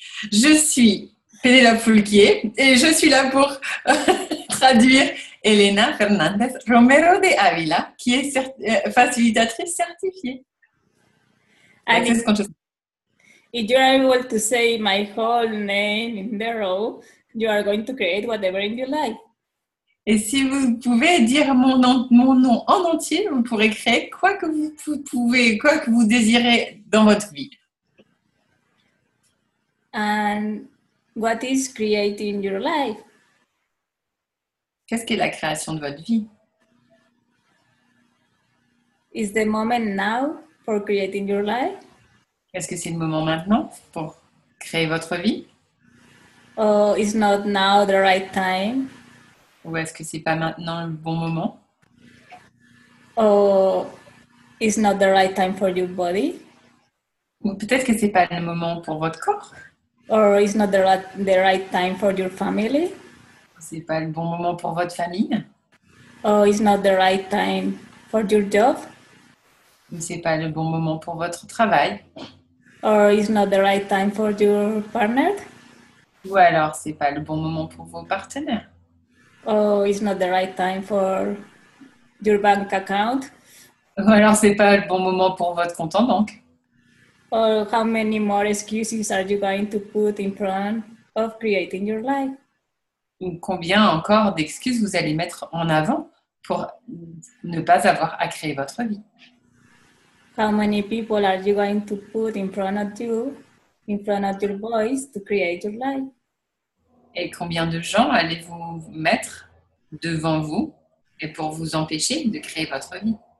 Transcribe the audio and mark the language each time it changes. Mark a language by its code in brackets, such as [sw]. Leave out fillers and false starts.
[fr] Je suis Penelope Fulquier et je suis là pour traduire Elena Fernández Romero de Ávila, qui est facilitatrice certifiée. [en] And if you are able to say my whole name in the row, you are going to create whatever in your life. [fr] Et si vous pouvez dire mon nom en entier, vous pourrez créer quoi que vous désirez dans votre vie. [en] And what is creating your life? [fr] Qu'est-ce qu'est la création de votre vie? [en] Is the moment now for creating your life? [fr] Est-ce que c'est le moment maintenant pour créer votre vie? [en] Or is not now the right time? [fr] Ou est-ce que c'est pas maintenant le bon moment? [en] Or is not the right time for your body? [fr] Ou peut-être que c'est pas le moment pour votre corps? [en] Or is not the right time for your family? [fr] C'est pas le bon moment pour votre famille. [en] Oh, it's not the right time for your job. [fr] C'est pas le bon moment pour votre travail. [en] Or it's not the right time for your partner. [fr] Ou alors c'est pas le bon moment pour vos partenaires. [en] Oh, it's not the right time for your bank account. [fr] Ou alors c'est pas le bon moment pour votre compte en banque. [en] Or how many more excuses are you going to put in front of creating your life? [fr] Ou combien encore d'excuses vous allez mettre en avant pour ne pas avoir à créer votre vie? [en] How many people are you going to put in front of your voice to create your life? [fr] Et combien de gens allez-vous mettre devant vous et pour vous empêcher de créer votre vie?